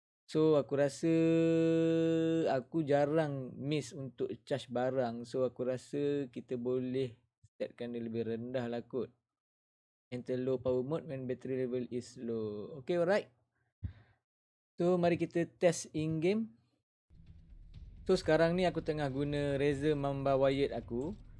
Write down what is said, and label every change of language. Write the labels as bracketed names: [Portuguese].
[Malay] So aku rasa aku jarang miss untuk charge barang. So aku rasa kita boleh setkan dia lebih rendah lah kot. [English] Enter low power mode when battery level is low. Okay, alright. So [Malay] mari kita [English] test in game. [Malay] So sekarang ni aku tengah guna Razer Mamba Wired aku.